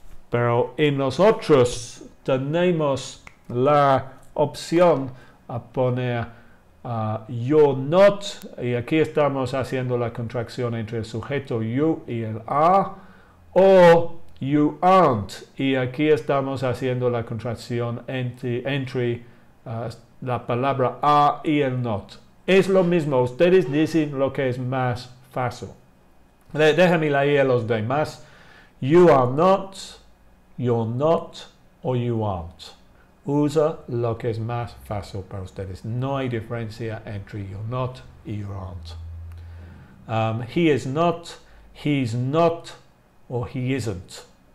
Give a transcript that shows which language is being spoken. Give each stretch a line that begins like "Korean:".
Spanish: Pero en nosotros tenemos la opción a poner
English: you're not,
Spanish: y aquí estamos haciendo la contracción entre el sujeto you y el are, o you aren't, y aquí estamos haciendo la contracción entre la palabra are y el not. Es lo mismo, ustedes dicen lo que es más fácil. Déjenme leer a los demás.
English: You are not, you're not, or you aren't.
Spanish: Usa lo que es más fácil para ustedes. No hay diferencia entre
English: you're not y you aren't. He is not, he's not, or he isn't.